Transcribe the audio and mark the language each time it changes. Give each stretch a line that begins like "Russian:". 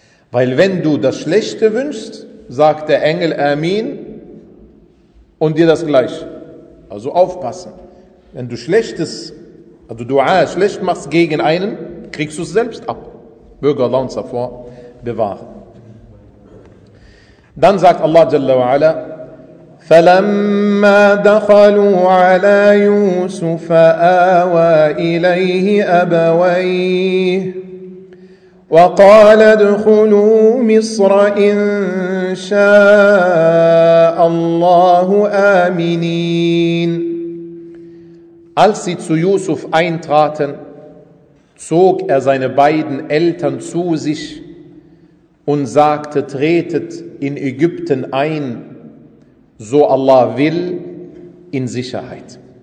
German: Weil wenn du das Schlechte wünschst, sagt der Engel Amin und dir das Gleiche. Also aufpassen. Wenn du Schlechtes, also Dua schlecht machst gegen einen, kriegst du es selbst ab. Möge Allah uns davor bewahren. Dann sagt Allah Jalla wa Ala,
Arabic: فَلَمَّا دَخَلُوا عَلَى يُوسُفَ آوَى إِلَيْهِ أَبَوَيْهِ وَقَالَ ادْخُلُوا مِصْرَ إِن شَاءَ اللَّهُ آمِنِينَ.
German: Als sie zu Yusuf eintraten, zog er seine beiden Eltern zu sich und sagte, tretet in Ägypten ein, so Allah will, in Sicherheit.